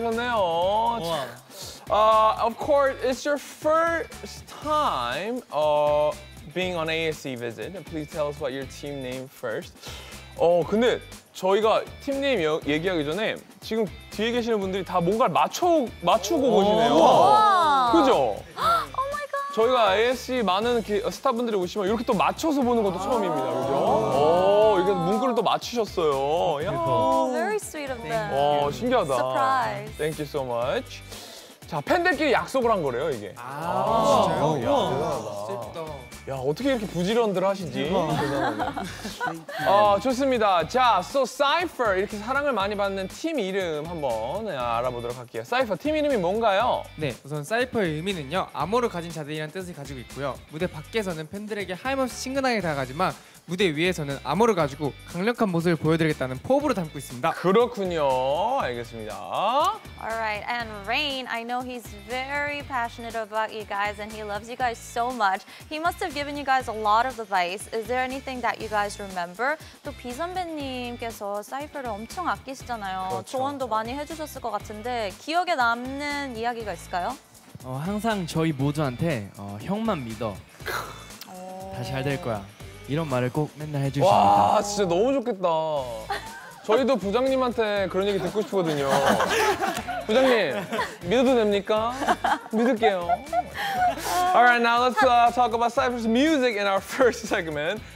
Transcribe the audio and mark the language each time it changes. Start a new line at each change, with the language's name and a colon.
English: Of course, it's your first time being on ASC visit. Please tell us what your team name first.
Korean: 근데 저희가 팀 네임 얘기하기 전에 지금 뒤에 계시는 분들이 다 뭔가를 맞추고 오시네요. 그죠? 저희가 ASC 많은 스타분들이 오시면 이렇게 또 맞춰서 보는 것도 처음입니다. 그죠? 이게 문구를 또 맞추셨어요.
English: Very sweet of them.
Korean: 신기하다.
English: Surprise. Thank you so much.
Korean: 자, 팬들끼리 약속을 한 거래요, 이게. 진짜요? 이야, 대단하다. 진짜. 야, 어떻게 이렇게 부지런들 하시지? 대단하네. 좋습니다. 자, so Cypher, 이렇게 사랑을 많이 받는 팀 이름 한번 알아보도록 할게요. Cypher, 팀 이름이 뭔가요? 네, 우선 Cypher의 의미는요, 암호를 가진 자들이라는 뜻을 가지고 있고요. 무대 밖에서는 팬들에게 하염없이 친근하게 다가가지만 무대 위에서는 암호를 가지고 강력한 모습을 보여드리겠다는 포부를 담고 있습니다. 그렇군요. 알겠습니다.
English: Alright, and Rain, I know he's very passionate about you guys and he loves you guys so much. He must have given you guys a lot of advice. Is there anything that you guys remember?
Korean: 또 B 선배님께서 사이퍼를 엄청 아끼시잖아요. 그렇죠. 조언도 많이 해주셨을 것 같은데 기억에 남는 이야기가 있을까요? 항상 저희 모두한테 형만 믿어. 다 잘 될 거야. 이런 말을 꼭 맨날 해주십니다. 와, 진짜 너무 좋겠다. 저희도 부장님한테 그런 얘기 듣고 싶거든요. 부장님, 믿어도 됩니까? 믿을게요.
English: Alright, now let's talk about Cypher's music in our first segment.